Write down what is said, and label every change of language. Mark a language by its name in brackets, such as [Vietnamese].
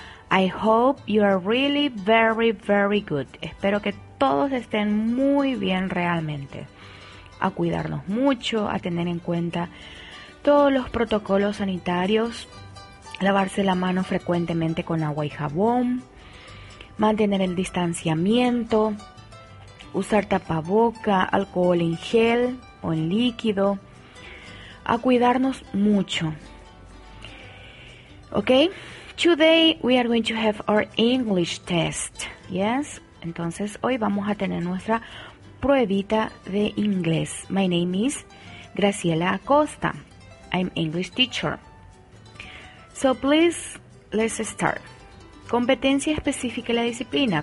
[English] I hope you are really very, very good. [Spanish] Espero que todos estén muy bien realmente. A cuidarnos mucho, a tener en cuenta todos los protocolos sanitarios. Lavarse la mano frecuentemente con agua y jabón, mantener el distanciamiento, usar tapaboca, alcohol en gel o en líquido, a cuidarnos mucho. [English] Okay, today we are going to have our English test. [Spanish] Yes, entonces hoy vamos a tener nuestra pruebita de inglés. [English] My name is Graciela Acosta. I'm English teacher. So please, let's start. [Spanish] Competencia específica de la disciplina.